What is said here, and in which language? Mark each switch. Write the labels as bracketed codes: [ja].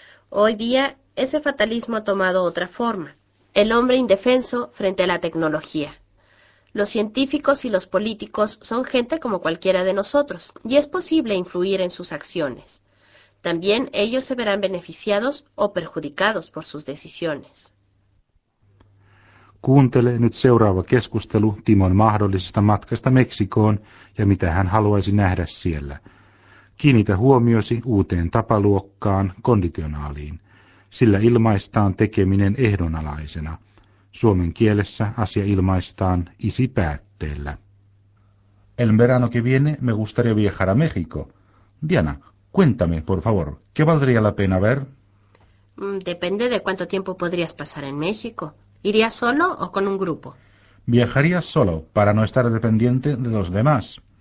[es] Hoy día, ese fatalismo ha tomado otra forma. El hombre indefenso frente a la tecnología. Los científicos y los políticos son gente como cualquiera de nosotros, y es posible influir en sus acciones. También ellos se verán beneficiados o perjudicados por sus decisiones. [fi] Kuuntele nyt seuraava keskustelu Timon mahdollisesta matkasta Meksikoon ja mitä hän haluaisi nähdä siellä. Kiinnitä huomiosi uuteen tapaluokkaan, konditionaaliin. Sillä ilmaistaan tekeminen ehdonalaisena. Suomen kielessä asia ilmaistaan isipäätteellä. [es] El verano que viene me gustaría viajar a México. Diana, cuéntame, por favor, ¿qué valdría la pena ver? Depende de cuánto tiempo podrías pasar en México. ¿Iría solo o con un grupo? Viajaría solo, para no estar dependiente de los demás.